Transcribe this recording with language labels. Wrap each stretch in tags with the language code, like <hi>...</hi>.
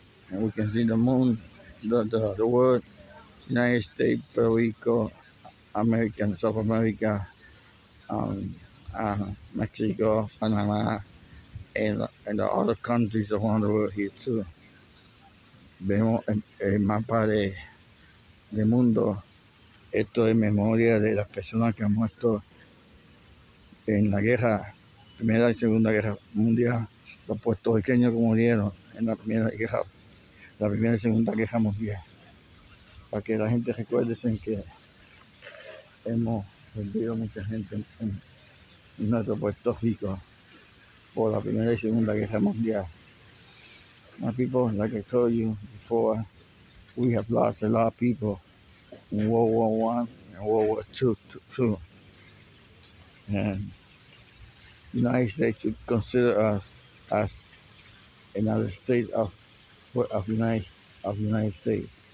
<en>And we can see the moon, the world, United States, Puerto Rico, America, South America, Mexico, Panama, and the other countries around the world here too.</en> <es>Vemos el mapa de mundo. Esto es memoria de las personas que han muerto en la guerra, Primera y Segunda Guerra Mundial, los puertorriqueños que murieron en la Primera y Segunda Guerra Mundial. Para que la gente recuerde que hemos perdido mucha gente en nuestro Puerto Rico por la Primera y Segunda Guerra Mundial.</es> <en>My people, like I told you before, we have lost a lot of people. In World War I and World War II. And the United States should consider us as another state of United States.</en>